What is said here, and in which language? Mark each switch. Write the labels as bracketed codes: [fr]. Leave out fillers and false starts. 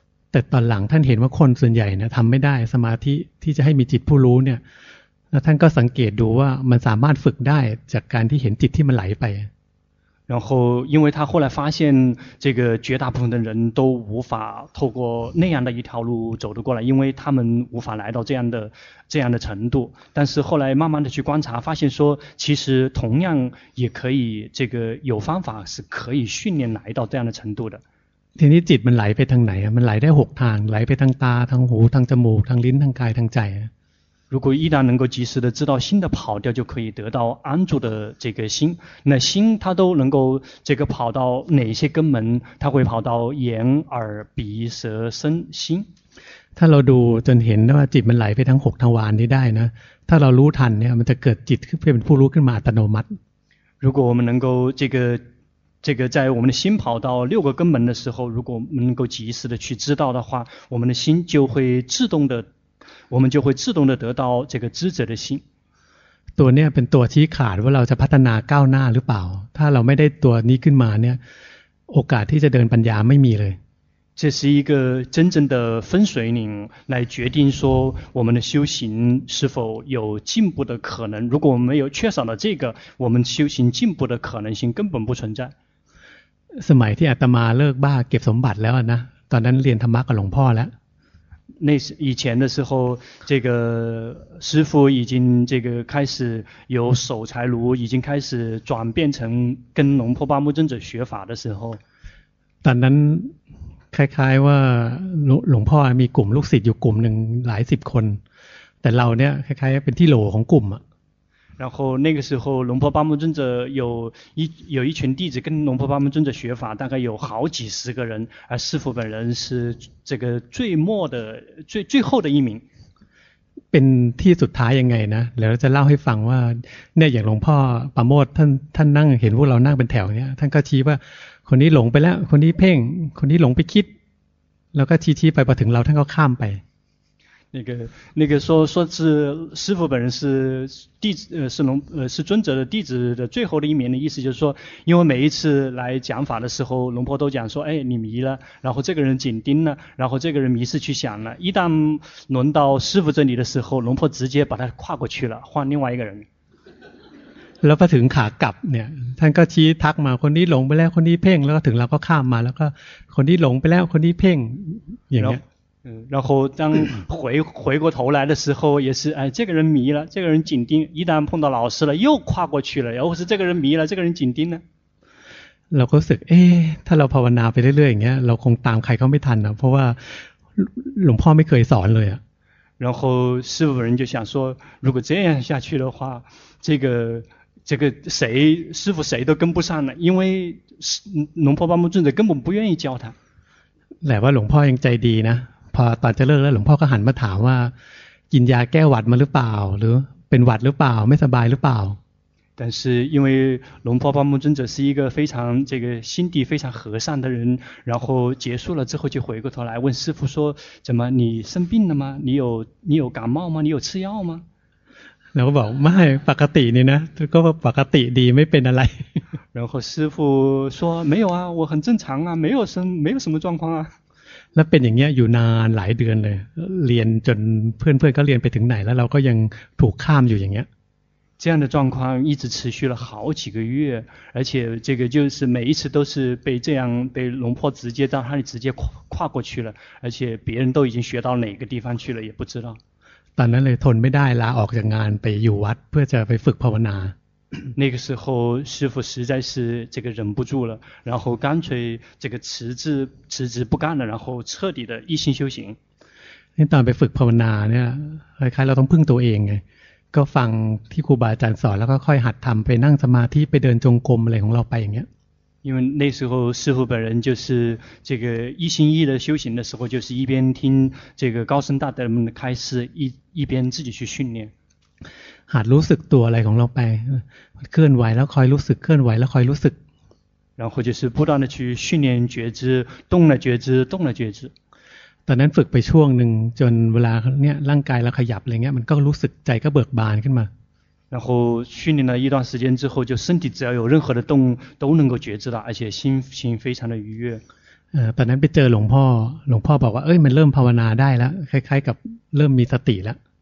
[th] แต่ตอนหลังท่านเห็นว่าคนส่วนใหญ่เนี่ยทำไม่ได้สมาธิที่จะให้มีจิตผู้รู้เนี่ยแล้วท่านก็สังเกตดูว่ามันสามารถฝึกได้จากการที่เห็นจิตที่มันไหลไป [zh] 然后因为他后来发现这个绝大部分的人都无法透过那样的一条路走得过来因为他们无法来到这样的程度但是后来慢慢的去观察发现说其实同样也可以这个有方法是可以训练来到这样的程度的 [th] ทีนี้จิตมันไหลไปทางไหนมันไหลได้หกทางไหลไปทางตาทางหูทางจมูกทางลิ้นทางกายทางใจ [zh] 如果一旦能够及时的知道心的跑掉就可以得到安住的这个心那心它都能够这个跑到哪些根门它会跑到眼耳鼻舌身心 [th] ถ้าเราดูจนเห็นว่าจิตมันไหลไปทั้ง6ทวารนี้ได้นะถ้าเรารู้ทันเนี่ยมันจะเกิดจิตขึ้นเป็นผู้รู้ขึ้นมาอัตโนมัติ [zh] 如果我们能够这个在我们的心跑到六个根门的时候如果我们能够及时的去知道的话我们的心就会自动的我们就会自动的得到这个知者的心 [th] ตัวเนี้ยเป็นตัวชี้ขาดว่าเราจะพัฒนาก้าวหน้าหรือเปล่าถ้าเราไม่ได้ตัวนี้ขึ้นมาเนี่ยโอกาสที่จะเดินปัญญาไม่มีเลย [zh] 这是一个真正的分水岭来决定说我们的修行是否有进步的可能如果我们没有缺少了这个我们修行进步的可能性根本不存在 [th] สมัยที่อาตมาเลิกบ้าเก็บสมบัติแล้วนะตอนนั้นเรียนธรรมะกับหลวงพ่อแล้ว [zh] 那是以前的时候，这个师父已经这个开始有守财炉，已经开始转变成跟龙婆巴木尊者学法的时候。但那 [th] คล้ายๆว่าหลวงพ่อมีกลุ่มลูกศิษย์อยู่กลุ่มหนึ่งหลายสิบคนแต่เราเนี่ยคล้ายๆเป็นที่โหลของกลุ่มอ่ะ [zh] 然后那个时候龙婆巴木尊者有一群弟子跟龙婆巴木尊者学法大概有好几十个人而师父本人是这个最末的最后的一名 [th] เป็นที่สุดท้ายยังไงนะแล้วจะเล่าให้ฟังว่าเนี่ยอย่างหลวงพ่อปาโมทท่านนั่งเห็นพวกเรานั่งเป็นแถวเนี่ยท่านก็ชี้ว่าคนนี้หลงไปแล้วคนนี้เพ่งคนนี้หลงไปคิดแล้วก็ชี้ไปพอถึงเราท่านก็ข้ามไป [zh] 那个说是师父本人是弟子是龙是尊者的弟子的最后的一名的意思就是说因为每一次来讲法的时候龙婆都讲说哎你迷了然后这个人紧盯了然后这个人迷失去想了一旦轮到师父这里的时候龙婆直接把他跨过去了换另外一个人 [th] แล้วพอถึงขากลับเนี่ยท่านก็ชี้ทักมาคนนี้หลงไปแล้วคนนี้เพ่งแล้วก็ถึงเราก็ข้ามมาแล้วก็คนที่หลงไปแล้วคนนี้เพ่งอย่างเงี้ย [zh] 然后当回过头来的时候也是哎这个人迷了这个人紧盯一旦碰到老师了又跨过去了然后是这个人迷了这个人紧盯呢 [th] เราก็รู้สึกเอ๊ถ้าเราภาวนาไปเรื่อยๆอย่างเงี้ยเราคงตามใครเขาไม่ทันนะเพราะว่าหลวงพ่อไม่เคยสอนเลยอ่ะ [zh] 然后师父本人就想说如果这样下去的话这个谁师父谁都跟不上了因为龙婆巴木尊者根本不愿意教他 [th] แต่ว่าหลวงพ่อยังใจดีนะพอตอนจะเลิกแล้วหลวงพ่อก็หันมาถามว่ากินยาแก้หวัดมาหรือเปล่าหรือเป็นหวัดหรือเปล่าไม่สบายหรือเปล่า [zh] 但是因为龙婆巴木尊者是一个非常这个心地非常和善的人然后结束了之后就回过头来问师父说怎么你生病了吗你有感冒吗你有吃药吗 [th] แล้วก็บอกไม่ปกตินี่นะก็ปกติดีไม่เป็นอะไร [zh] 然后师父说没有啊我很正常啊没有什么状况啊 [th] แล้วเป็นอย่างเงี้ยอยู่นานหลายเดือนเลยเรียนจนเพื่อนๆก็เรียนไปถึงไหนแล้วเราก็ยังถูกข้ามอยู่อย่างเงี้ย [zh] 这样的状况一直持续了好几个月而且这个就是每一次都是被这样被龙婆直接到他里直接跨过去了而且别人都已经学到哪个地方去了也不知道 [th] ตอนนั้นเลยทนไม่ได้ลาออกจากงานไปอยู่วัดเพื่อจะไปฝึกภาวนา [zh] 那个时候师父实在是这个忍不住了然后干脆这个辞职不干了然后彻底的一心修行 [th] ตอนไปฝึกภาวนาเนี่ยคล้ายๆเราต้องพึ่งตัวเองไงก็ฟังที่ครูบาอาจารย์สอนแล้วก็ค่อยหัดทำไปนั่งสมาธิไปเดินจงกรมอะไรของเราไปอย่างเงี้ย [zh] 因为那时候师父本人就是这个一心一意的修行的时候就是一边听这个高僧大德们的开示一边自己去训练 [th] หัดรู้สึกตัวอะไรของเราไปเคลื่อนไหวแล้วคอยรู้สึกเคลื่อนไหวแล้วคอยรู้สึก [zh] 然后就是不断的去训练觉知动了觉知动了觉知 [th] ตอนนั้นฝึกไปช่วงหนึ่งจนเวลาเนี่ยร่างกายเราขยับอะไรเงี้ยมันก็รู้สึกใจก็เบิกบานขึ้นมา [zh] 然后训练了一段时间之后就身体只要有任何的动都能够觉知了而且心非常的愉悦 [th] ตอนนั้นไปเจอหลวงพ่อบอกว่าเอ้ยมันเริ่มภาวนาได้แล้วคล้ายๆกับเริ่มมีสติแล้ว